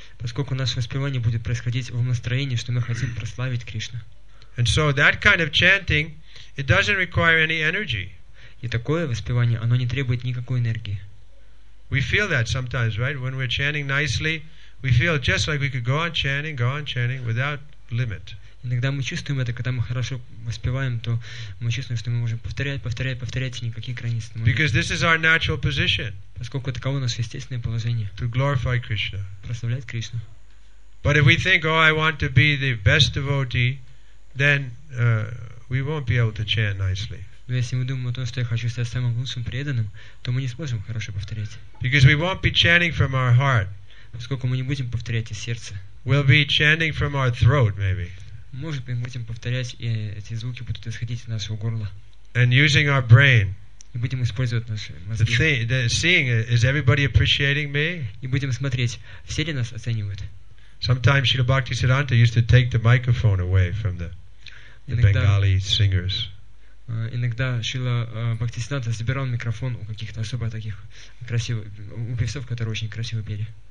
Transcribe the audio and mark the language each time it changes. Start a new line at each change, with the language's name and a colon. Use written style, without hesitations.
Russian: Поскольку наше воспевание будет происходить в настроении, что мы хотим прославить Кришну.
English: And so that kind of chanting, it doesn't require any energy.
Russian: И такое воспевание, оно не требует никакой энергии.
English: We feel that sometimes, right? When we're chanting nicely, we feel just like we could go on chanting without limit.
Russian: Иногда мы чувствуем это, когда мы хорошо воспеваем, то мы чувствуем, что мы можем повторять, никаких границ.
English: Because this is our natural position.
Russian: Поскольку таково наше естественное положение.
English: To glorify Krishna.
Russian: Прославлять Кришну.
English: But if we think, oh, I want to be the best devotee, then we won't be able to chant nicely.
Russian: Но если мы думаем о том, что я хочу стать самым лучшим преданным, то мы не сможем хорошо повторять.
English: Because we won't be chanting from our heart.
Russian: Поскольку мы не будем повторять из сердца.
English: We'll be chanting from our throat, maybe.
Russian: Может быть, мы будем повторять, и эти звуки будут исходить из нашего горла.
English: And using our brain.
Russian: И будем использовать наши мозги.
English: Seeing, is everybody appreciating me?
Russian: И будем смотреть, все ли нас оценивают.
English: Sometimes Srila Bhakti Siddhanta used to take the microphone away from the Bengali singers.
Russian: Иногда Шрила Бхакти Сиддханта забирал микрофон у каких-то особо таких красивых, у певцов, которые очень красиво пели.